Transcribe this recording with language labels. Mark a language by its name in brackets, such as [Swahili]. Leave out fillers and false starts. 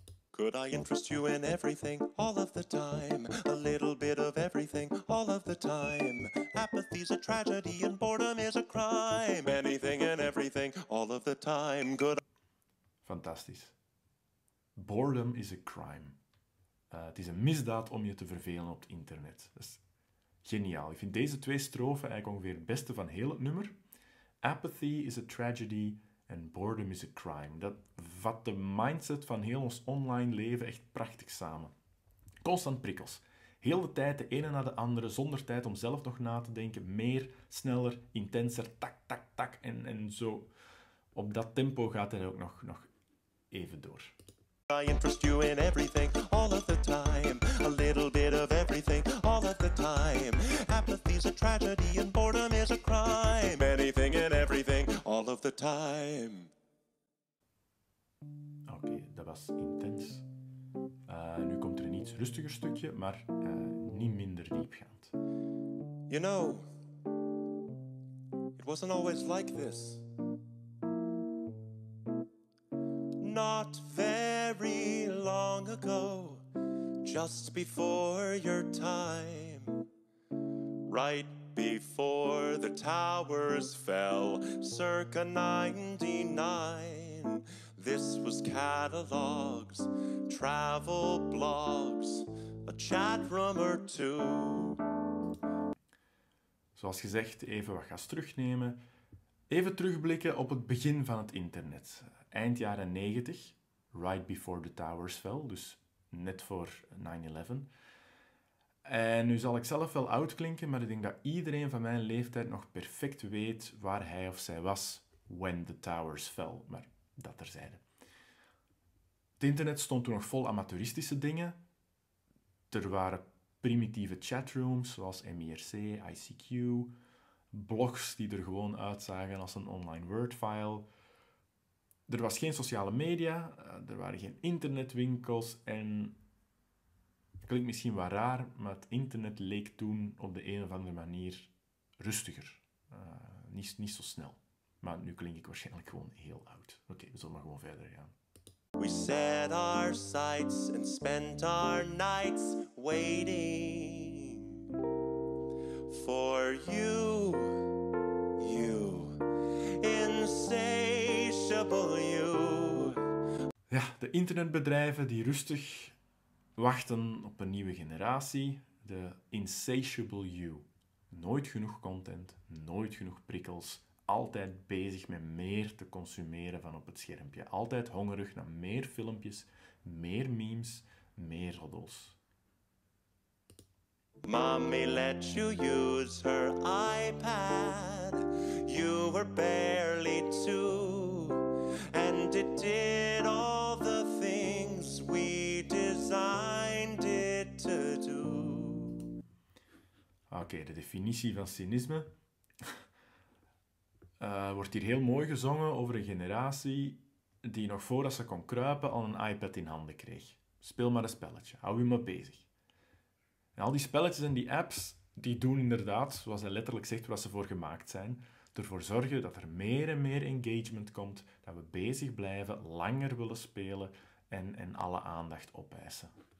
[English] Could I interest you in everything, all of the time? A little bit of everything, all of the time. Apathy's a tragedy and boredom is a crime. Anything and everything, all of the time. Could I... Fantastisch. Boredom is a crime. [Dutch] Het is een misdaad om je te vervelen op het internet. Dat is geniaal. Ik vind deze twee strofen eigenlijk ongeveer het beste van heel het nummer. [English] Apathy is a tragedy... En boredom is a crime. [Dutch] Dat vat de mindset van heel ons online leven echt prachtig samen. Constant prikkels. Heel de tijd, de ene na de andere, zonder tijd om zelf nog na te denken. Meer, sneller, intenser, tak, tak, tak. En zo, op dat tempo gaat hij ook nog even door. [English] I interest you in everything, all of the time. A little bit of everything, all of the time. Apathy is a tragedy and boredom is a crime. Anything and everything, all of the time. [Dutch] Oké, dat was intens. Nu komt er een iets rustiger stukje, maar niet minder diepgaand. You know, it [English] wasn't always like this. Not very long ago, just before your time, right before the towers fell, circa 99. This was catalogs, travel blogs, a chat room or two. [Dutch] Zoals gezegd, even wat gas terugnemen. Even terugblikken op het begin van het internet. Eind jaren 90, right before the towers fell, dus net voor 9-11. En nu zal ik zelf wel oud klinken, maar ik denk dat iedereen van mijn leeftijd nog perfect weet waar hij of zij was when the towers fell. Maar dat terzijde. Het internet stond toen nog vol amateuristische dingen. Er waren primitieve chatrooms zoals MIRC, ICQ, blogs die er gewoon uitzagen als een online wordfile. Er was geen sociale media, er waren geen internetwinkels en... klinkt misschien wat raar, maar het internet leek toen op de een of andere manier rustiger. Niet zo snel. Maar nu klink ik waarschijnlijk gewoon heel oud. Oké, we zullen maar gewoon verder gaan. [English] We set our sights and spent our nights waiting for you, you, insatiable you. [Dutch] Ja, de internetbedrijven die rustig wachten op een nieuwe generatie, de insatiable you. Nooit genoeg content, nooit genoeg prikkels, altijd bezig met meer te consumeren van op het schermpje. Altijd hongerig naar meer filmpjes, meer memes, meer roddels. [English] Mommy let you use her iPad. You were barely two. And it did all the things we designed it to do. [Dutch] Oké, de definitie van cynisme. Wordt hier heel mooi gezongen over een generatie die nog voordat ze kon kruipen al een iPad in handen kreeg. Speel maar een spelletje, hou je maar bezig. En al die spelletjes en die apps, die doen inderdaad, zoals hij letterlijk zegt, waar ze voor gemaakt zijn, ervoor zorgen dat er meer en meer engagement komt, dat we bezig blijven, langer willen spelen en alle aandacht opeisen.